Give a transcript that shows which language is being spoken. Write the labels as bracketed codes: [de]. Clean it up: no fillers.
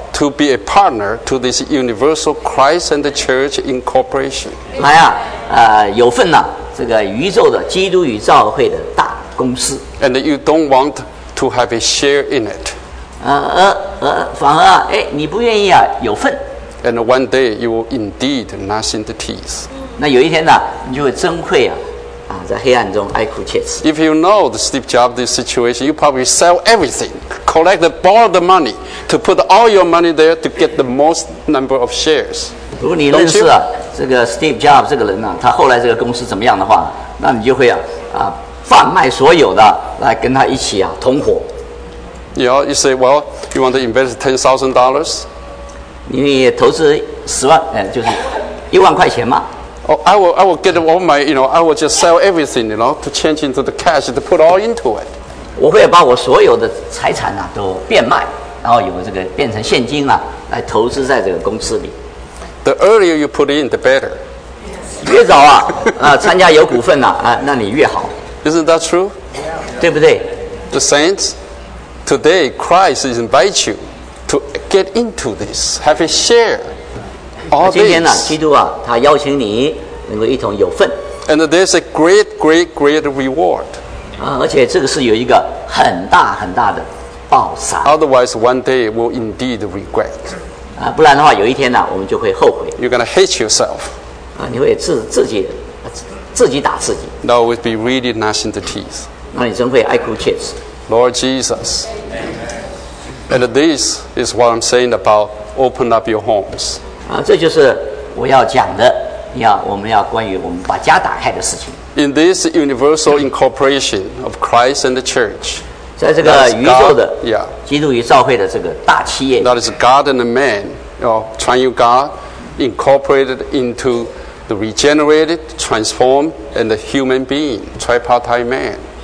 [en] To be a partner to this universal Christ and the Church incorporation. [zh] 来有份呐。这个宇宙的基督与教会的大公司 [en] ，and you don't want to have a share in it， [zh] 反而你不愿意有份 [en] ，and one day you will indeed gnash the teeth， [zh] 那有一天呢，你就会真会在黑暗中哀哭切齿。 [en] If you know the Steve Jobs situation, you probably sell everything, collect all the money to put all your money there to get the most number of shares。 [zh] 如果你认识这个 Steve Jobs 这个人他后来这个公司怎么样的话，那你就会贩卖所有的来跟他一起同伙。 [en] You say, well, you want to invest $10,000? [zh] 你投资10万，就是10,000块钱嘛。 [en] I will get all my, you know, I will just sell everything, you know, to change into the cash to put all into it. [zh] 我会把我所有的财产都变卖，然后有这个变成现金来投资在这个公司里。 [en] The earlier you put in, the better. [zh] 越早参加有股份那你越好。 [en] Isn't that true? [zh] 对不对 [en] ？The saints, today Christ invites you to get into this, have a share. All this. [zh] 今天基督他邀请你能够一同有份。 [en] And there's a great, great, great reward. [zh] 而且这个是有一个很大很大的报偿。 [en] Otherwise, one day will indeed regret. [zh] 不然的话，有一天我们就会后悔。 [en] You're gonna hate yourself. [zh] 你会自己打自己。 [en] No, it would be really gnashing the teeth. [zh] 那你真会哀哭切齿。 [en] Lord Jesus, and this is what I'm saying about open up your homes. [zh] 这就是我要讲的，我们要关于我们把家打开的事情。 [en] In this universal incorporation of Christ and the Church. [zh] 在这个宇宙的基督与教会的这个大企业 [en] That is God and man, you know, triune God incorporated into the regenerated, transformed, and the human being, tripartite man.